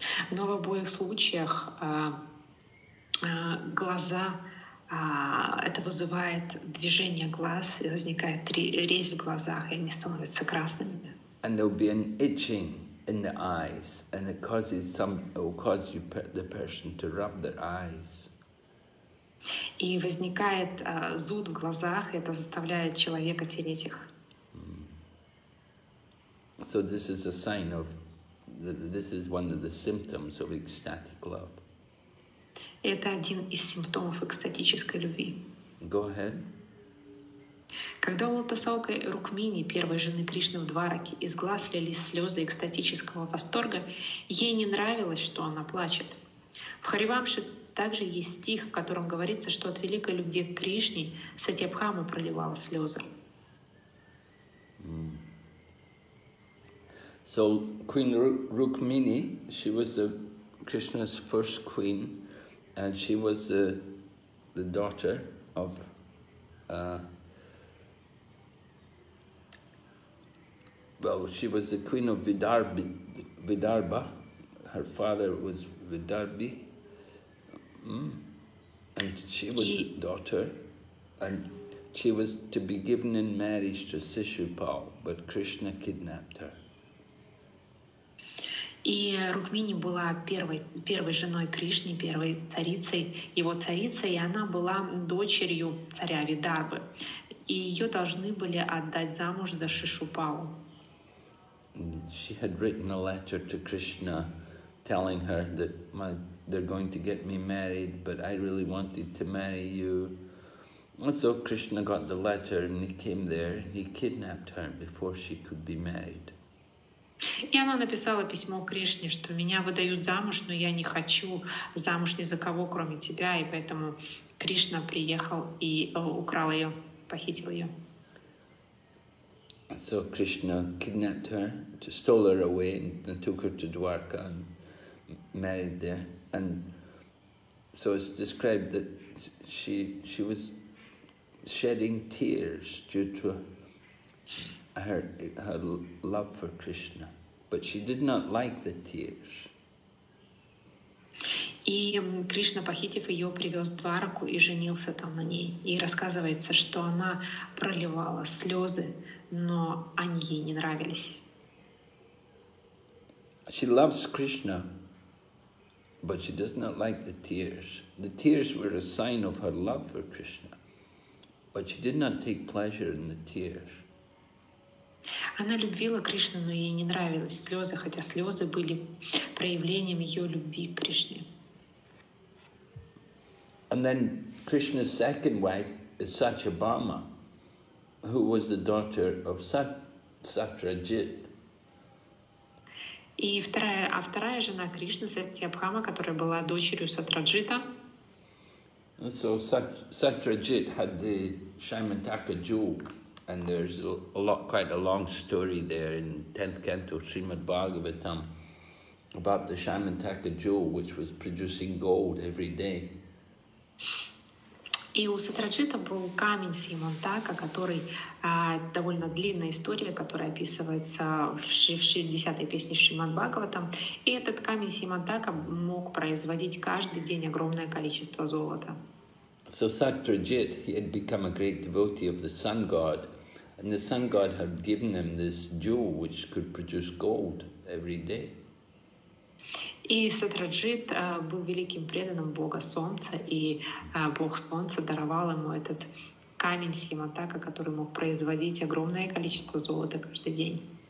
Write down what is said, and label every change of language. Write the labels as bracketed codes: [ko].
[ru] Но в обоих случаях глаза, это вызывает движение глаз, и возникает резь в глазах, и они становятся красными. [en] And there will be an itching in the eyes, and the person to rub their eyes. [ru] И возникает зуд в глазах, и это заставляет человека тереть их. [en] So this is a sign of, this is one of the symptoms of ecstatic love. [ru] Это один из симптомов экстатической любви. [en] Go ahead. [ru] Когда у лотосаока Рукмини, первой жены Кришны в Двараке, из глаз лились слезы экстатического восторга, ей не нравилось, что она плачет. В Харивамше также есть стих, в котором говорится, что от великой любви к Кришне Сатьябхама проливала слезы. [en] So Queen Rukmini, she was the Krishna's first queen, and she was the daughter of she was the queen of Vidarbha. Her father was Vidarbhi. And she was a daughter. And She was to be given in marriage to Sishupal, but Krishna kidnapped her. [ru] И Рукмини была первой женой Кришны, первой царицей, его царицей, и она была дочерью царя Видарбы. И ее должны были отдать замуж за Шишупалу. [en] She had written a letter to Krishna telling her that they're going to get me married, but I really wanted to marry you. And so Krishna got the letter and he came there and he kidnapped her before she could be married. [ru] И она написала письмо Кришне, что меня выдают замуж, но я не хочу замуж ни за кого, кроме тебя, и поэтому Кришна приехал и украл ее, похитил ее. [en] So Krishna kidnapped her, stole her away, and took her to Dwarka and married there. And so it's described that she was shedding tears due to her love for Krishna. But she did not like the tears. [ru] И Кришна, похитив ее, привез в Двараку и женился там на ней. И рассказывается, что она проливала слезы, но они ей не нравились. [en] She loves Krishna, but she does not like the tears. The tears were a sign of her love for Krishna, but she did not take pleasure in the tears. [ru] Она любила Кришну, но ей не нравились слезы, хотя слезы были проявлением ее любви к Кришне. [en] And then Krishna's second wife is Satyabhama, who was the daughter of Satrajit. [ru] И вторая жена Кришны, Сатьябхама, которая была дочерью Сатраджита. [en] And so Satrajit had the Shaimantaka jewel. And there's quite a long story there in 10th canto Srimad Bhagavatam about the Shaimantaka jewel, which was producing gold every day. [ru] И у Сатраджита был камень Симантака, который довольно длинная история, которая описывается в 60-й песне Шримад Бхагаватам. И этот камень Симантака мог производить каждый день огромное количество золота. [en] So Satrajit, he had become a great devotee of the sun god. And the sun god had given him this jewel which could produce gold every day. [ru] И Сатраджит был великим преданным Бога Солнца, и Бог Солнца даровал ему этот камень Симантака, который мог производить огромное количество золота каждый день.